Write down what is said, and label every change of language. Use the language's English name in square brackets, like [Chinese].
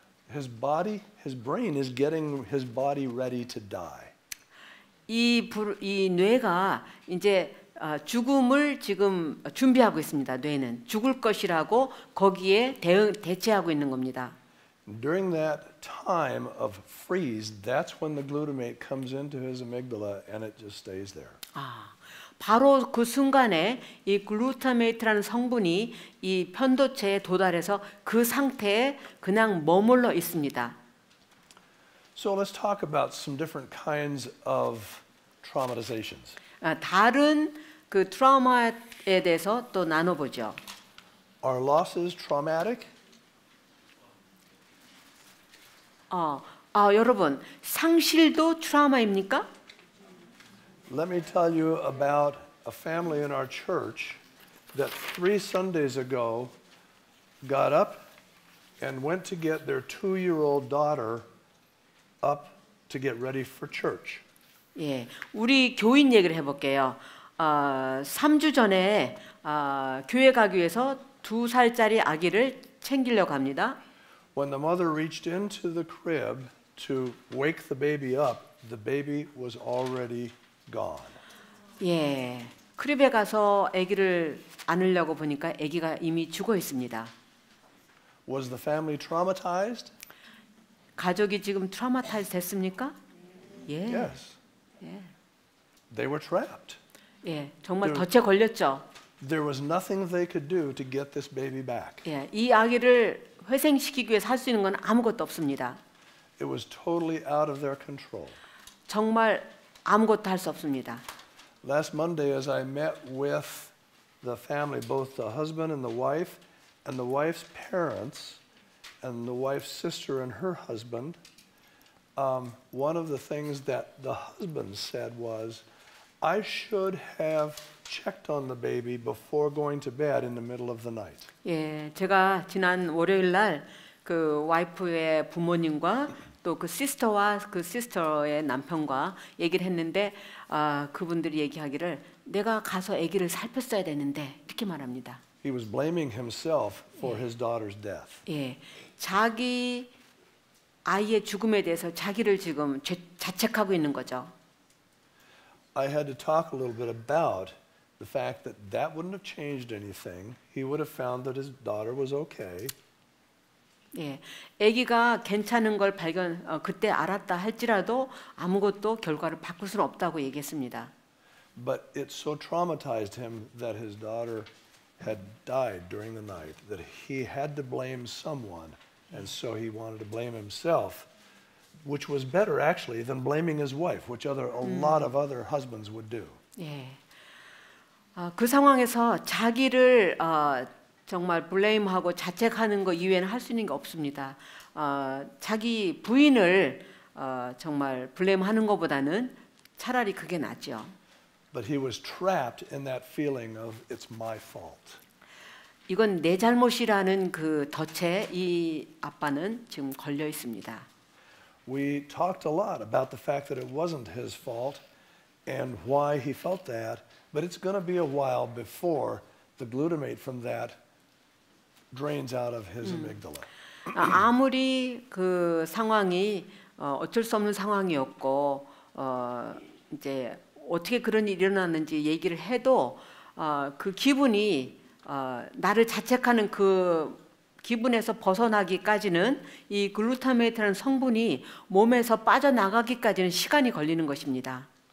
[English] His body, his brain is getting his body ready to die. [Korean] 이 뇌가 이제 죽음을 지금 준비하고 있습니다. 뇌는 죽을 것이라고 거기에 대처하고 있는 겁니다. [English] During that time of freeze, that's when the glutamate comes into his amygdala and it just stays there. [Korean] 아, 바로 그 순간에 이 글루타메이트라는 성분이 이 편도체에 도달해서 그 상태에 그냥 머물러 있습니다. [English] So let's talk about some different kinds of traumatizations. [Korean] 다른 그 트라우마에 대해서 또 나눠보죠. [English] Are losses traumatic? [Korean] 여러분, 상실도 트라우마입니까? [English] Let me tell you about a family in our church that three Sundays ago got up and went to get their two-year-old daughter up to get ready for church. [Korean] 예, 우리 교인 얘기를 해볼게요. 3주 전에 교회 가기 위해서 두 살짜리 아기를 챙기려고 합니다. [English] When the mother reached into the crib to wake the baby was already gone. [Korean] 예, 크립에 가서 아기를 안으려고 보니까 아기가 이미 죽어 있습니다. [English] Was the family traumatized? [Korean] 가족이 지금 트라우마타이즈 됐습니까? 예. [English] Yes. 예. They were trapped. [Korean] 예, 정말 덫에 걸렸죠. [English] There was nothing they could do to get this baby back. [Korean] 예, 이 아기를 회생시키기 위해서 할 수 있는 건 아무것도 없습니다. [English] It was totally out of their control. [Korean] 정말 아무것도 할 수 없습니다. [English] Last Monday, as I met with the family, both the husband and the wife's parents, and the wife's sister and her husband, one of the things that the husband said was, I should have checked on the baby before going to bed in the middle of the night. [Korean] 예, 제가 지난 월요일 날 그 와이프의 부모님과 또 그 시스터와 그 시스터의 남편과 얘기를 했는데 그분들이 얘기하기를 내가 가서 아기를 살폈어야 되는데 이렇게 말합니다. [English] He was blaming himself for his daughter's death. [Korean] 예, 자기 아이의 죽음에 대해서 자기를 지금 자책하고 있는 거죠. [English] I had to talk a little bit about the fact that that wouldn't have changed anything. He would have found that his daughter was okay. [Korean] 예, 아기가 괜찮은 걸 발견 그때 알았다 할지라도 아무것도 결과를 바꿀 수는 없다고 얘기했습니다. [English] But it so traumatized him that his daughter had died during the night that he had to blame someone, and so he wanted to blame himself. Which was better, actually, than blaming his wife, which lot of other husbands would do. [Korean] 예, 그 상황에서 자기를 정말 블레임하고 자책하는 거 이외에는 할 수 있는 게 없습니다. 자기 부인을 정말 블레임하는 것보다는 차라리 그게 낫죠. [English] But he was trapped in that feeling of it's my fault. [Korean] 이건 내 잘못이라는 그 덫에 이 아빠는 지금 걸려 있습니다. [English] We talked a lot about the fact that it wasn't his fault and why he felt that, but it's going to be a while before the glutamate from that drains out of his amygdala. [Korean] 아무리 그 상황이 어쩔 수 없는 상황이었고 이제 어떻게 그런 일이 일어났는지 얘기를 해도 그 기분이 나를 자책하는 그 기분에서 벗어나기까지는 이 글루타메이트라는 성분이 몸에서 빠져나가기까지는 시간이 걸리는 것입니다.